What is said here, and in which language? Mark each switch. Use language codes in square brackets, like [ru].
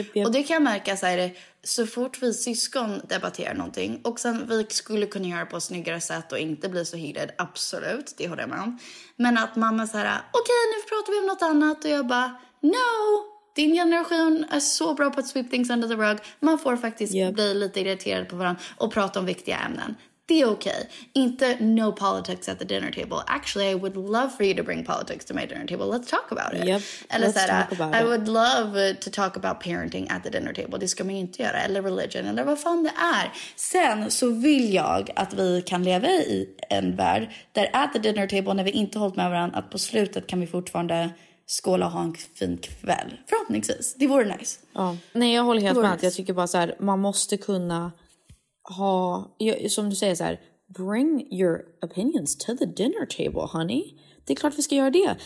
[sv] Och det kan jag märka så här, så fort vi syskon debatterar någonting, och sen vi skulle kunna göra på ett snyggare sätt och inte bli så hyrad, absolut, det håller jag med om. Men att mamma så här, okej, nu pratar vi om något annat, och jag bara, no! Din generation är så bra på att [en] sweep things under the rug. [sv] Man får faktiskt bli lite irriterad på varandra och prata om viktiga ämnen. Det är okej. Inte [en] no politics at the dinner table. Actually, I would love for you to bring politics to my dinner table. Let's talk about it. [sv] Eller så här, [en] I would love to talk about parenting at the dinner table. [sv] Det ska man inte göra. Eller religion, eller vad fan det är. Sen så vill jag att vi kan leva i en värld där [en] at the dinner table, [sv] när vi inte hållit med varandra, att på slutet kan vi fortfarande skåla och ha en fin kväll. Förhoppningsvis. Det vore nice. Ja. Nej, jag håller helt med. Nice. Jag tycker bara så här, man måste kunna ha, som du säger så här, [en] bring your opinions to the dinner table, honey. [sv] Det är klart vi ska göra det.